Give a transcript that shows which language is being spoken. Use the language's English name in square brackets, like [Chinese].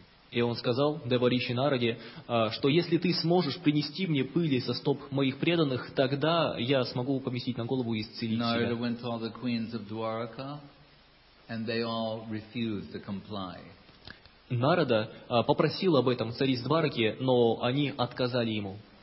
[Russian] И он сказал Деварши Нараде, что если ты сможешь принести мне пыли со стоп моих преданных, тогда я смогу поместить на голову и исцелить себя. [English] Нарада went to all the queens of Dwarka, and they all refused to comply. [Russian] Нарада попросил об этом цариц Двараки, но они отказали ему.